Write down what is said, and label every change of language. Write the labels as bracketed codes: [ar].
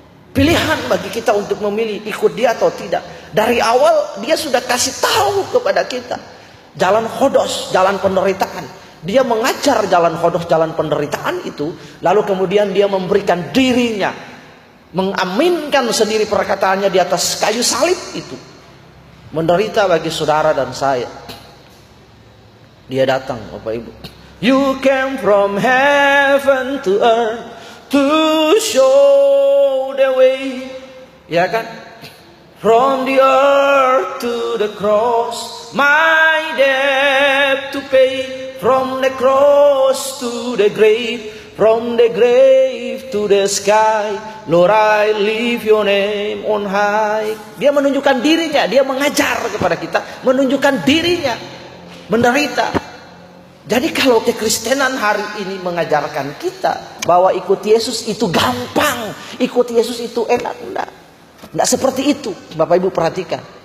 [id] Pilihan bagi kita untuk memilih ikut dia atau tidak. Dari awal dia sudah kasih tahu kepada kita jalan khodos, jalan penderitaan. Dia mengajar jalan khodos, jalan penderitaan itu. Lalu kemudian dia memberikan dirinya, mengaminkan sendiri perkataannya di atas kayu salib itu, menderita bagi saudara dan saya. Dia datang, Bapak Ibu. [en] You came from heaven to earth to show the way. [id] Ya kan? [en] From the earth to the cross, my debt to pay. From the cross to the grave, from the grave to the sky, Lord, I leave your name on high. [id] Dia menunjukkan dirinya, dia mengajar kepada kita, menunjukkan dirinya, menderita. Jadi kalau kekristenan hari ini mengajarkan kita bahwa ikut Yesus itu gampang, ikut Yesus itu enak, enggak. Enggak seperti itu, Bapak Ibu perhatikan.